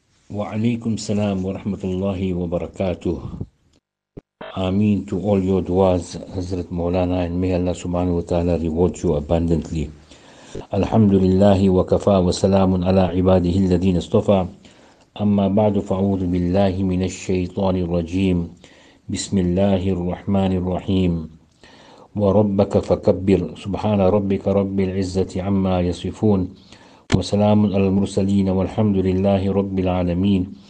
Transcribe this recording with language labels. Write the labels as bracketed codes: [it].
[ar] وعليكم السلام ورحمة الله وبركاته. [en] آمين to all your duas, Hazrat Maulana, and may Allah subhanahu wa ta'ala reward you abundantly. [ar] الحمد لله وكفى وسلام على عباده الذين اصطفى. أما بعد فأعوذ بالله من الشيطان الرجيم. بسم الله الرحمن الرحيم. وربك فكبر سبحان ربك رب العزة عما يصفون وسلام على المرسلين والحمد لله رب العالمين.